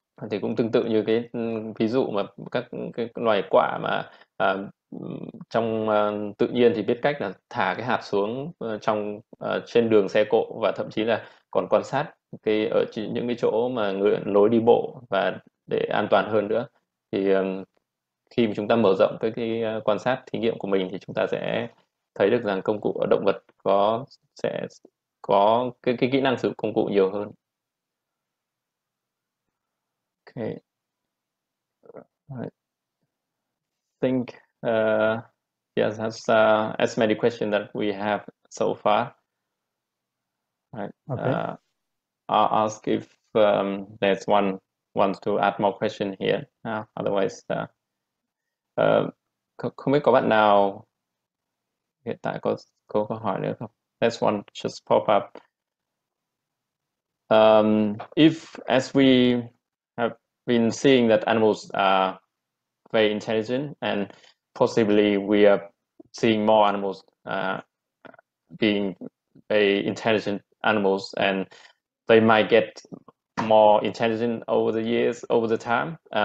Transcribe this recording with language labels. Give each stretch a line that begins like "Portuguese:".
Vietnamese: Thì cũng tương tự như cái ví dụ mà các cái loài quả mà trong tự nhiên thì biết cách là thả cái hạt xuống trong trên đường xe cộ, và thậm chí là còn quan sát cái ở những cái chỗ mà lối đi bộ và để an toàn hơn nữa. Thì khi mà chúng ta mở rộng cái quan sát thí nghiệm của mình thì chúng ta sẽ thấy được rằng công cụ ở động vật sẽ có cái kỹ năng sử dụng công cụ nhiều hơn.
English: Okay. I think yes, that's as many questions that we have so far. Okay. I'll ask if there's one wants to add more question here.
Vietnamese: Otherwise, không biết có bạn nào hiện tại có câu hỏi nữa không?
English: This one just pop up. If as we have been seeing that animals are very intelligent, and possibly we are seeing more animals being very intelligent animals, and they might get more intelligent over the years, over the time.